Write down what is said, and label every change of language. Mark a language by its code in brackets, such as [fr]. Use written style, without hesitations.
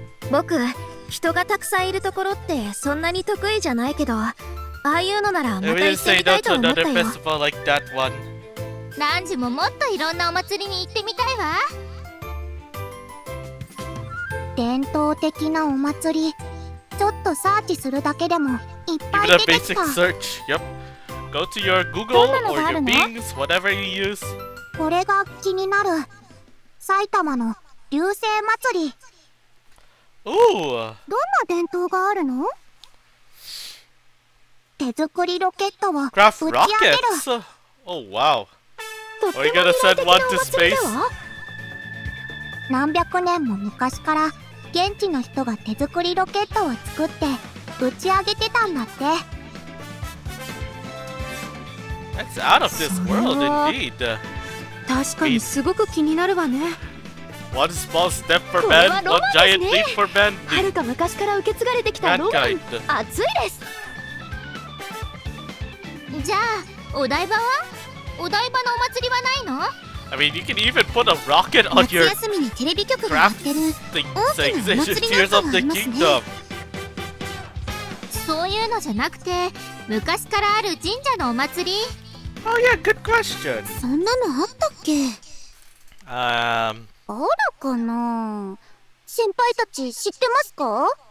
[ja] 僕、人がたくさんいるところってそんなに得意じゃないけど、ああいうのならまた行ってみたいと思ったよ。 [en] Like、that one. [ja] ランジももっといろんなお祭りに行ってみたいわ。伝統的なお祭り、ちょっとサーチするだけでもいっぱい出てきた。 [en] Even a basic search. Yep. Go to your Google or your Bing, whatever you use. [ja] これが気になる。埼玉の流星祭り。 [en] Ooh. [ja] どんな伝統があるの？手作りロケットを打ち上げる。 [en] Oh wow. Are you gonna send one to space? [ja] 何百年も昔から現地の人が手作りロケットを作って打ち上げてたんだって。 [en] That's out of this world indeed. [ja] 確かにすごく気になるわね。 [en] One small step for men, one giant leap for men. [ja] これはロマンですね。遥か昔から受け継がれてきたロマン。熱いです。じゃあ、お台場は？お台場のお祭りはないの？ [en] I mean, you can even put a rocket on your craft station Tears of the Kingdom. [ja] そういうのじゃなくて、昔からある神社のお祭り。 [en] Oh yeah, good question. [ja] そんなのあったっけ？あるかな？先輩たち知ってますか？